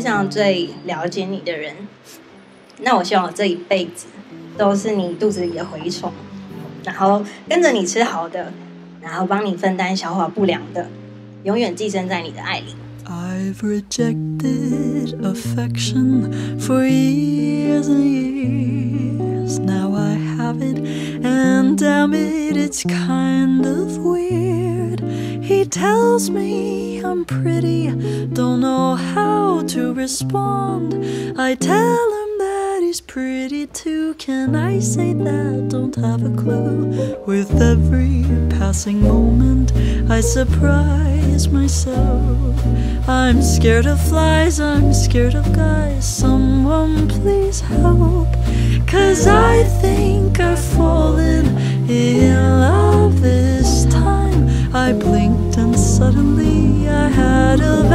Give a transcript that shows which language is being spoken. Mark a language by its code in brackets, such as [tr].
[zh] 最了解你的人，那我希望我这一辈子都是你肚子里的蛔虫，然后跟着你吃好的，然后帮你分担消化不良的，永远寄生在你的爱里。 [en] I've rejected affection for years and years. Now I have it and damn it, it's kind of weird. He tells me I'm pretty, don't know how to respond. I tell him that he's pretty too. Can I say that? Don't have a clue. With every passing moment, I surprise myself. I'm scared of flies, I'm scared of guys. Someone please help. Cause I think I've fallen in love this time. I blinked and suddenly I had a